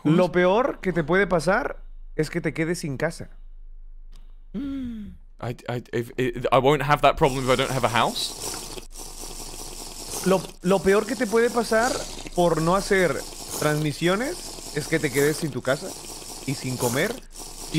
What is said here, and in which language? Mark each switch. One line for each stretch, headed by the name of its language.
Spanish: Lo peor que te puede pasar es que te quedes sin casa.
English: I won't have that problem if I don't have a house.
Spanish: Lo peor que te puede pasar por no hacer transmisiones es que te quedes sin tu casa y sin comer y